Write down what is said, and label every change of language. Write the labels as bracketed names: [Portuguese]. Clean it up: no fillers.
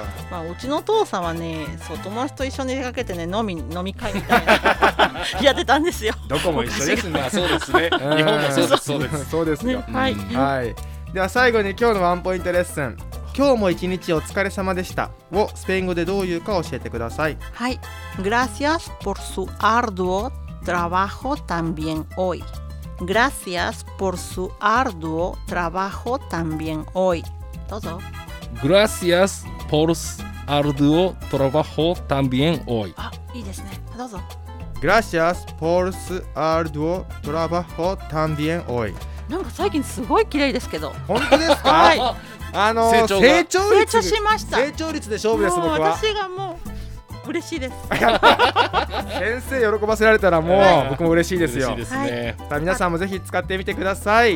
[Japanese] まあ、うちのお父さんはね、そう、友達と一緒に出かけてね、飲み会みたいなやってたんですよ。どこも一緒ですね。そうですね、日本もそうです。そうです、そうですよ、ね、はい、うん、はい、では最後に今日のワンポイントレッスン、今日も一日お疲れ様でしたをスペイン語でどういうか教えてください。はい、 [Spanish] Gracias por su arduo trabajo también hoy. Gracias por su arduo trabajo también hoy. [Japanese] どうぞ。 [Spanish] Gracias por su arduo trabajo también hoy. [Japanese] あ、いいですね、どうぞ。 [Spanish] Gracias por su arduo trabajo también hoy. [Japanese] なんか最近すごい綺麗ですけど。本当ですか？はい、成長率で勝負です。もう僕は、私がもう嬉しいです。先生喜ばせられたらもう僕も嬉しいですよ。嬉しいですね。さあ皆さんもぜひ使ってみてください。